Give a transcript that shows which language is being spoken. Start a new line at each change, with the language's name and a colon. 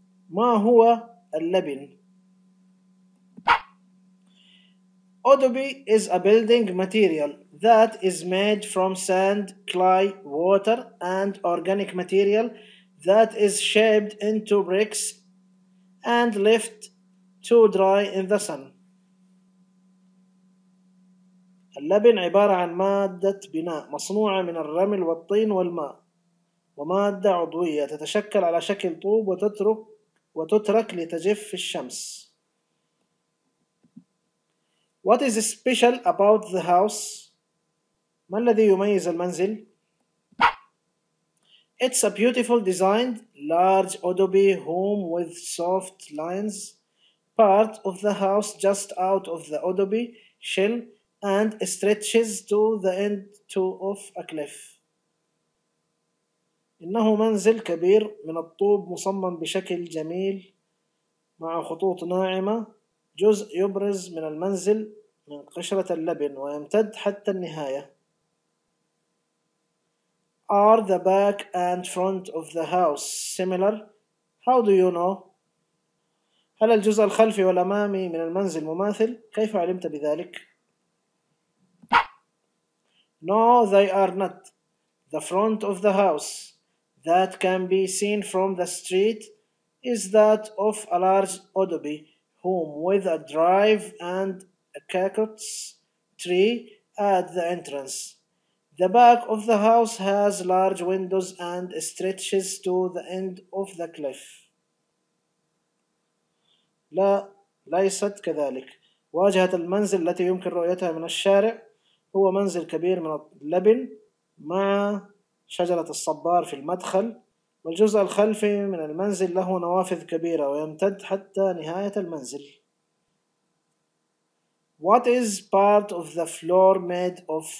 Arabic: ما هو اللبن؟
English: Adobe is a building material that is made from sand, clay, water and organic material that is shaped into bricks and left to dry in the sun.
Arabic: اللبن عبارة عن مادة بناء مصنوعة من الرمل والطين والماء ومادة عضوية تتشكل على شكل طوب وتترك لتجف في الشمس.
English: What is special about the house?
Arabic: ما الذي يميز المنزل؟
English: It's a beautiful designed large adobe home with soft lines. Part of the house just out of the adobe shell and stretches to the end of a cliff.
Arabic: إنه منزل كبير من الطوب مصمم بشكل جميل مع خطوط ناعمة جزء يبرز من المنزل من قشرة اللبن ويمتد حتى النهاية.
English: Are the back and front of the house similar? How do you know?
Arabic: هل الجزء الخلفي والأمامي من المنزل مماثل؟ كيف علمت بذلك؟
English: No, they are not. The front of the house that can be seen from the street is that of a large adobe home with a drive and a cactus tree at the entrance. The back of the house has large windows and stretches to the end of the cliff.
Arabic: لا ليست كذلك. واجهة المنزل التي يمكن رؤيتها من الشارع هو منزل كبير من اللبن مع شجرة الصبار في المدخل والجزء الخلفي من المنزل له نوافذ كبيرة ويمتد حتى نهاية المنزل.
English: What is part of the floor made of?